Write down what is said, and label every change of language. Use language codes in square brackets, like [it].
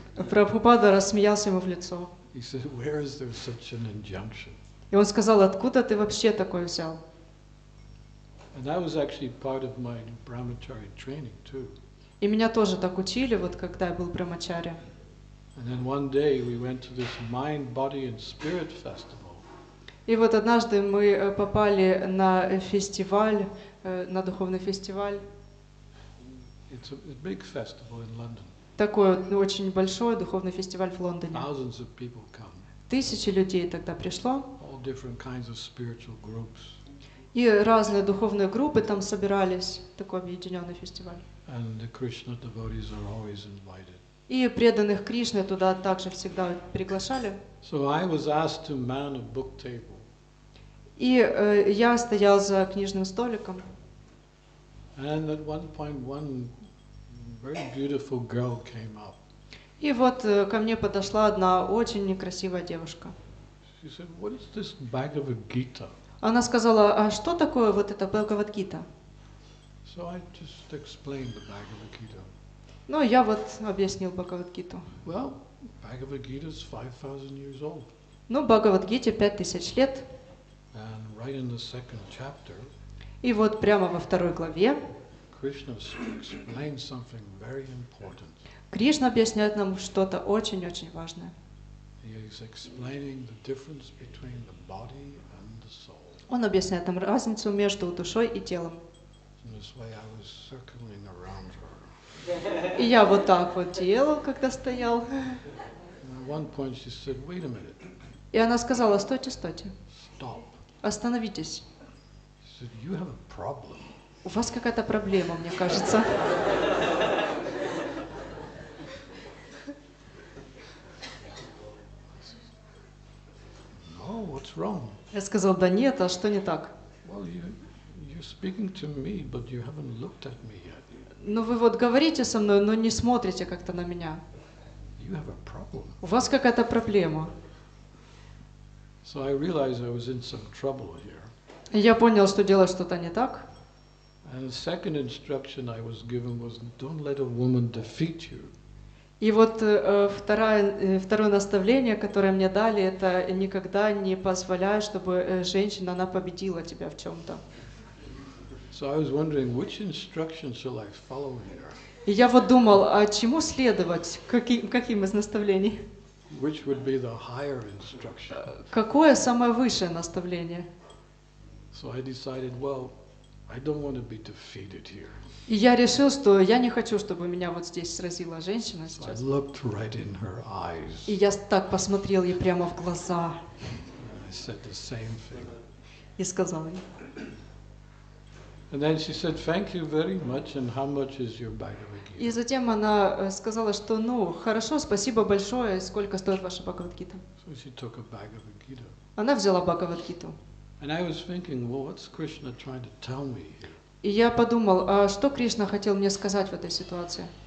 [ru] Прабхупада рассмеялся ему в лицо. [en] He said, where is there such an injunction? [ru] И он сказал, откуда ты вообще такое взял? [en] And that was actually part of my brahmachari training too. [ru] И меня тоже так учили, вот когда я был брахмачари. [en] And then one day we went to this mind, body and spirit festival. [ru] И вот однажды мы попали на фестиваль, на духовный фестиваль. [en] It's a big festival in London. [ru] Такой очень большой духовный фестиваль в Лондоне. [en] Thousands of people come. [ru] Тысячи людей тогда пришло. [en] All different kinds of spiritual groups. [ru] И разные духовные группы там собирались, такой объединенный фестиваль. [en] And the Krishna devotees are always invited. [ru] И преданных Кришны туда также всегда приглашали. [en] So I was asked to man a book table. [ru] И я стоял за книжным столиком. [en] And at one point one very beautiful girl came up. [ru] И вот ко мне подошла одна очень красивая девушка. [en] She said, "What is this Bhagavad Gita?" [ru] Она сказала, а что такое вот это Bhagavad Gita? [en] So I just explained the Bhagavad Gita. [ru] Ну, я вот объяснил Bhagavad Gita. [en] Well, Bhagavad Gita is 5,000 years old. [ru] Ну, Bhagavad Gita 5,000 лет. [en] And right in the second chapter. [ru] И вот прямо во второй главе. [en] Krishna explains something very important. [ru] Кришна объясняет нам что-то очень-очень важное. [en] He is explaining the difference between the body and the soul. [ru] Он объясняет нам разницу между душой и телом. [en] In this way, I was circling around her. [ru] И я вот так вот делал, когда стоял. [en] One point she said, wait a minute. [ru] И она сказала, стойте, стойте. [en] Stop. [ru] Остановитесь. [en] She said, you have a problem. [ru] У вас какая-то проблема, мне кажется. [en] No, what's wrong? [ru] Я сказал, да нет, а что не так? [en] Well, you're speaking to me, but you haven't looked at me yet. [ru] Ну вы вот говорите со мной, но не смотрите как-то на меня. [en] You have a problem. [ru] У вас какая-то проблема. [en] So I realized I was in some trouble here. [ru] Я понял, что делаю что-то не так. [en] And the second instruction I was given was, don't let a woman defeat you. [ru] И вот второе наставление, которое мне дали, это никогда не позволяй, чтобы женщина, она победила тебя в чем-то. [en] So I was wondering, which instruction shall I follow here? [ru] И я вот думал, а чему следовать? Каким из наставлений? [en] Which would be the higher instruction? [ru] Какое самое высшее наставление? [en] So I decided, well, I don't want to be defeated here. [ru] И я решил, что я не хочу, чтобы меня вот здесь сразила женщина сейчас. [en] So I looked right in her eyes. [ru] И я так посмотрел ей прямо в глаза. [en] I said the same thing. [ru] И сказал ей. [en] And then she said, "Thank you very much. And how much is your Bhagavad Gita?" [ru] И затем она сказала, что, ну, хорошо, спасибо большое. Сколько стоит ваша Bhagavad Gita? [en] So she took a Bhagavad Gita. [ru] Она взяла Bhagavad Gita. [en] And I was thinking, well, what's Krishna trying to tell me here? [ru] И я подумал, а что Кришна хотел мне сказать в этой ситуации?